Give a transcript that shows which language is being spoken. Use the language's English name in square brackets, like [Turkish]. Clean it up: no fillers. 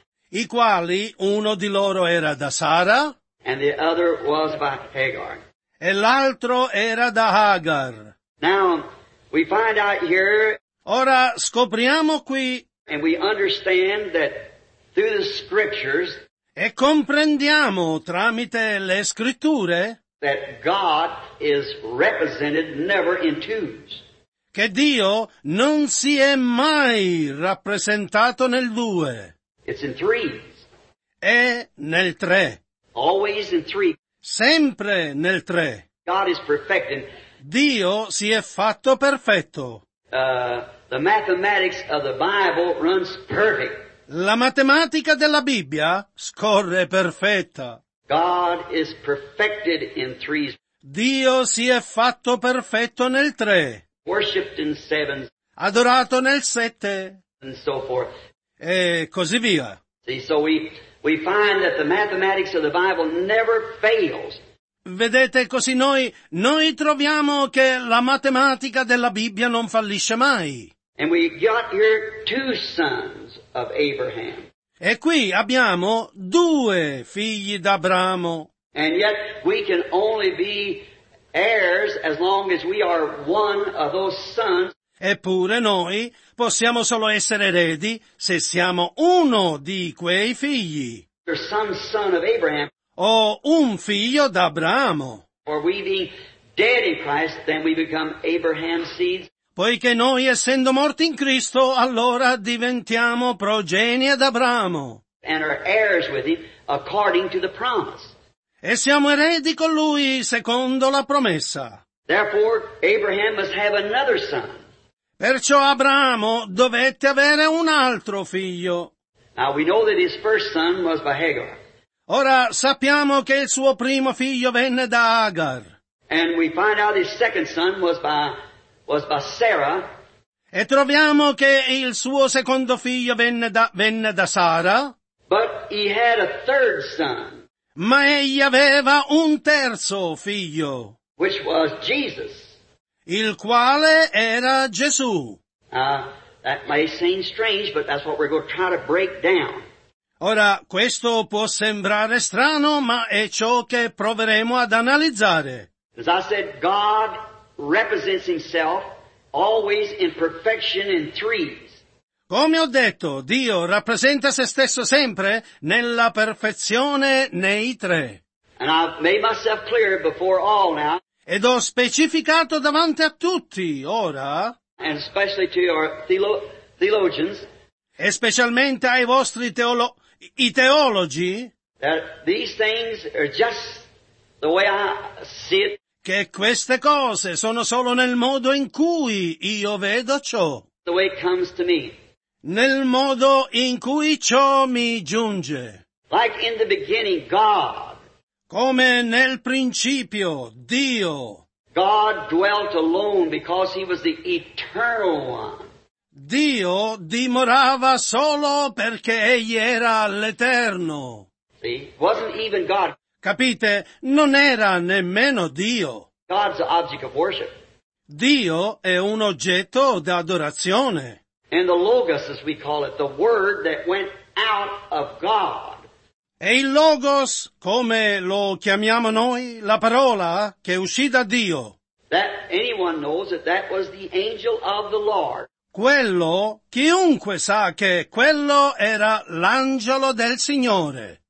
[Italian] I quali, uno di loro era da Sara. [English] And the other was by Hagar. [Italian] E l'altro era da Hagar. [English] Now, we find out here. [Italian] Ora scopriamo qui. [English] And we understand that through the scriptures. [Italian] E comprendiamo tramite le scritture. [English] That God is represented never in twos. [Italian] che Dio non si è mai rappresentato nel due. [English] It's in threes. [Italian] È nel tre. [English] Always in three. [Italian] Sempre nel tre. [English] God is perfect. [Italian] Dio si è fatto perfetto. [English] The mathematics of the Bible runs perfect. [Italian] La matematica della Bibbia scorre perfetta. [English] God is perfected in threes. [Italian] Dio si è fatto perfetto nel tre. [English] Worshipped in sevens. [Italian] Adorato nel sette. [English] And so forth. [Italian] E così via. [English] See, so we find that the mathematics of the Bible never fails. [Italian] Vedete, così noi troviamo che la matematica della Bibbia non fallisce mai. [English] And we got here two sons of Abraham. [Italian] E qui abbiamo due figli d'Abramo. [English] And yet we can only be heirs as long as we are one of those sons. [Italian] Eppure noi possiamo solo essere eredi se siamo uno di quei figli. [English] Or some son of Abraham. [Italian] O un figlio d'Abramo. [English] For we being dead in Christ, then we become Abraham's seeds. [Italian] Poiché noi essendo morti in Cristo, allora diventiamo progenie d'Abramo. [English] And are heirs with him according to the promise. [Italian] E siamo eredi con lui secondo la promessa. [English] Therefore, Abraham must have another son. [Italian] Perciò Abramo dovette avere un altro figlio. [English] Now we know that his first son was by Hagar. [Italian] Ora sappiamo che il suo primo figlio venne da Agar. [English] And we find out his second son was by Sarah. [Italian] E troviamo che il suo secondo figlio venne da Sara. [English] But he had a third son. [Italian] Ma egli aveva un terzo figlio. [English] Which was Jesus. [Italian] Il quale era Gesù. [English] That may seem strange, but that's what we're going to try to break down. [Italian] Ora, questo può sembrare strano, ma è ciò che proveremo ad analizzare. [English] As I said, God represents himself always in perfection in threes. [Italian] Come ho detto, Dio rappresenta se stesso sempre nella perfezione nei tre. [English] And I've made myself clear before all now. [Italian] Ed ho specificato davanti a tutti, ora. [English] And especially to our theologians. [Italian] E specialmente ai vostri teologi, [English] that these things are just the way I see it, [Italian] che queste cose sono solo nel modo in cui io vedo ciò, [English] the way it comes to me, [Italian] nel modo in cui ciò mi giunge. [English] Like in the beginning, God, [Italian] come nel principio, Dio, [English] God dwelt alone because he was the eternal one. [Italian] Dio dimorava solo perché egli era l'Eterno. [English] See, wasn't even God. [Italian] Capite? Non era nemmeno Dio. [English] God's an object of worship. [Italian] Dio è un oggetto d'adorazione. [English] And the Logos, as we call it, the word that went out of God. [Italian] E il Logos, come lo chiamiamo noi, la parola che uscì da Dio. [English] That anyone knows that that was the angel of the Lord. [Italian] Quello, chiunque sa che quello era l'angelo del Signore.